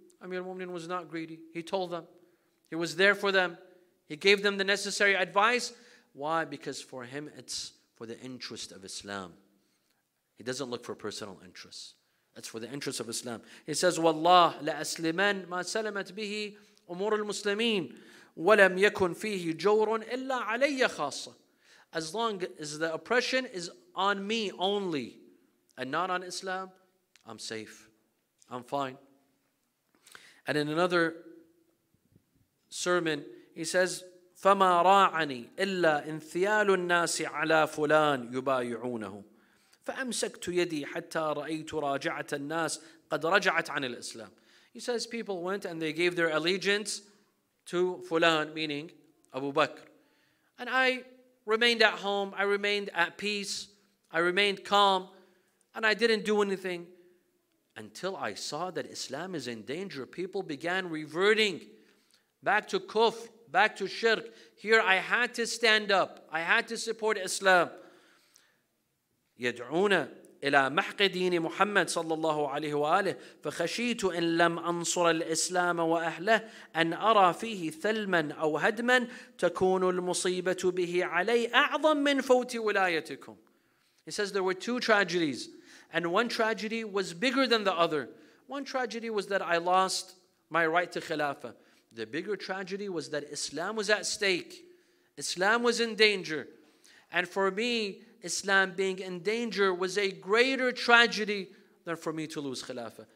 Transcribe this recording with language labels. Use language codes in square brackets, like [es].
[en] Amir al-Mu'mineen was not greedy. He told them. He was there for them. He gave them the necessary advice. Why? Because for him, it's for the interest of Islam. He doesn't look for personal interests. It's for the interest of Islam. He says, [ar] وَاللَّهِ لَأَسْلِمَنْ مَا سَلَمَتْ بِهِ أمور المسلمين ولم يكن فيه جور إلا علي خاصة. [en] As long as the oppression is on me only and not on Islam, I'm safe. I'm fine. And in another sermon, he says, [ar] فَمَا رَاعَنِي إِلَّا إِنْثِيَالُ النَّاسِ عَلَى فُلَانِ يُبَايُعُونَهُ فَأَمْسَكْتُ يَدِي حَتَّى رَأَيْتُ رَاجَعَةَ النَّاسِ قَدْ رَجَعَتْ عَنِ الْإِسْلَامِ. [en] He says people went and they gave their allegiance to Fulan, meaning Abu Bakr. And I remained at home, I remained at peace, I remained calm, and I didn't do anything until I saw that Islam is in danger. People began reverting back to kufr, back to shirk. Here I had to stand up, I had to support Islam. [ar] يدعون إلى محق دين محمد صلى الله عليه وآله فخشيت إن لم أنصر الإسلام وأهله أن أرى فيه ثلما أو هدما تكون المصيبة به علي أعظم من فوت ولايتكم. [en] He says there were two tragedies, and one tragedy was bigger than the other. One tragedy was that I lost my right to khilafah. The bigger tragedy was that Islam was at stake. Islam was in danger. And for me, Islam being in danger was a greater tragedy than for me to lose khilafah.